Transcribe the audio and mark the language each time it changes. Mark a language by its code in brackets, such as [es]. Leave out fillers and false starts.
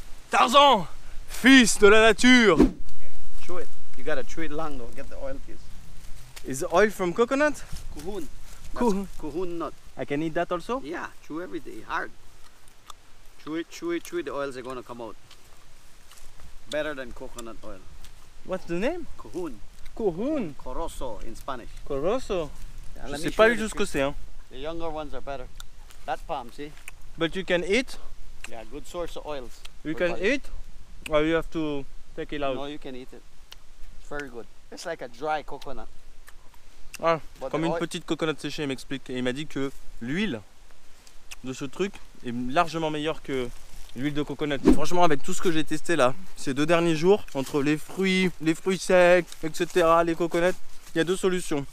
[fr] Tarzan, fils de la nature. [en] Chew it. You gotta chew it long though. Get the oil piece. Is oil from coconut? Kuhun. Kuhun nut. I can eat that also? Yeah, chew everything, hard. Chew it, the oils are gonna come out. Better than coconut oil. What's the name? Kuhun. Kuhun? Corozo in Spanish. Corozo? [fr] Yeah, je sais pas juste ce que c'est. Hein. [en] The younger ones are better. That palm, see? But you can eat? Yeah, good source of oils. You can eat? Or you have to take it out? No, you can eat it. It's very good. It's like a dry coconut. [fr] Ah, comme une petite coconut séchée, il m'explique. Et il m'a dit que l'huile de ce truc est largement meilleure que l'huile de coconut. Franchement, avec tout ce que j'ai testé là, ces deux derniers jours, entre les fruits secs, etc., les coconuts, il y a deux solutions.